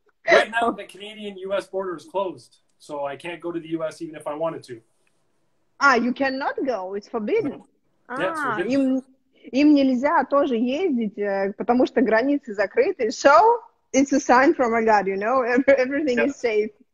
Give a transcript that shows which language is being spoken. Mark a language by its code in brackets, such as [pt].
[en] Right now the Canadian-US border is closed, so I can't go to the US even if I wanted to. Ah, you cannot go, it's forbidden. Yeah, it's forbidden. [ru] Им нельзя тоже ездить, потому что границы закрыты. [en] So, it's a sign from a God, you know, everything is safe.